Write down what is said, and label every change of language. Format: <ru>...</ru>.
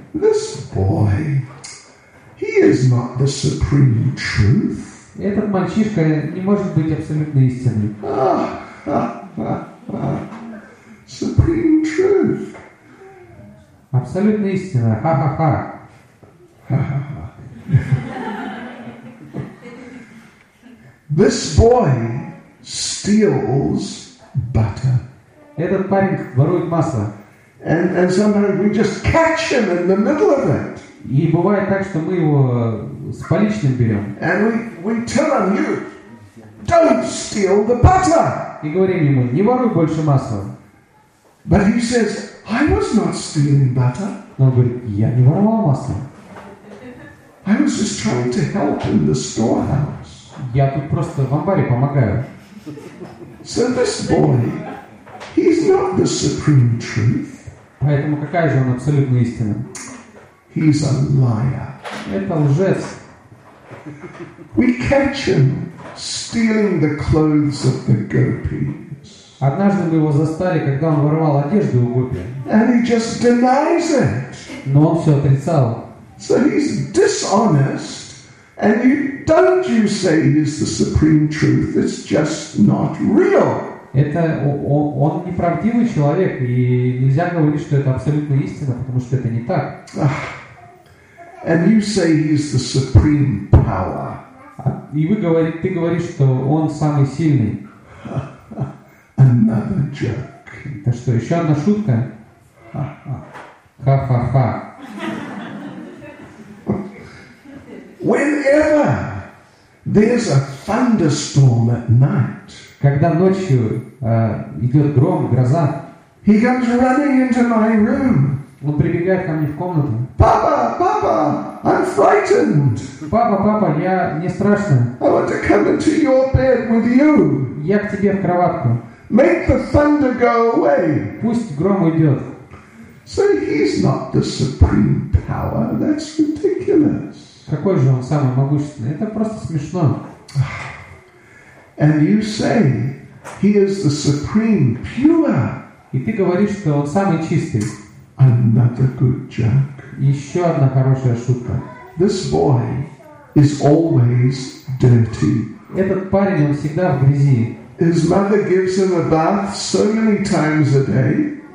<en>This boy, he is not the supreme truth.</en> <ru>Этот мальчишка не может быть абсолютной истиной.</ru> <en>Supreme truth.</en> <ru>Абсолютная истина. Ха-ха-ха.</ru> <en>This boy steals butter.</en> <ru>Этот парень ворует масло.</ru> <en>And sometimes we just catch him in the middle of it.</en> <ru>И бывает так, что мы его с поличным берем.</ru> <en>And we tell him, you don't steal the butter.</en> <ru>И говорим ему, не воруй больше масла.</ru> <en>But he says, I was not stealing butter.</en> <ru>Но он говорит, я не воровал масло.</ru> <en>I was just trying to help in the storehouse.</en> <ru>Я тут просто в амбаре помогаю.</ru> <en>So this boy, he's not the supreme truth.</en> <ru>Поэтому какая же он абсолютная истина?</ru> <en>He's a liar.</en> <ru>Это лжец.</ru> <en>We catch him stealing the clothes of the gopis.</en> <ru>Однажды мы его застали, когда он воровал одежду у гопи.</ru> <en>And he just denies it.</en> <ru>Но он все отрицал.</ru> <en>So he's dishonest, and you don't you say he's the supreme truth? It's just not real.</en> <ru>Это он неправдивый человек, и нельзя говорить, что это абсолютная истина, потому что это не так.</ru> <en>And you say he's the supreme power.</en> <ru>И ты говоришь, что он самый сильный.</ru> <en>Another joke.</en> <ru>Это что, еще одна шутка? Ха-ха-ха.</ru> <en>Whenever there's a thunderstorm at night.</en> <ru>Когда ночью идет гром, гроза.</ru> <en>He comes running into my room.</en> <ru>Он прибегает ко мне в комнату. Папа, папа,</ru> <en>I'm frightened.</en> <ru>Папа, папа, я не страшен.</ru> <en>I want to come into your bed with you.</en> <ru>Я к тебе в кроватку.</ru> <en>Make the thunder go away.</en> <ru>Пусть гром уйдет.</ru> <en>So he's not the supreme power. That's ridiculous.</en> <ru>Какой же он самый могущественный? Это просто смешно.</ru> <en>And you say he is the supreme pure.</en> <ru>И ты говоришь, что он самый чистый.</ru> <en>Another good joke.</en> <ru>Еще одна хорошая шутка.</ru> <en>This boy is always dirty.</en> <ru>Этот парень, он всегда в грязи.</ru> <en>His mother gives him a bath so many times a day.</en>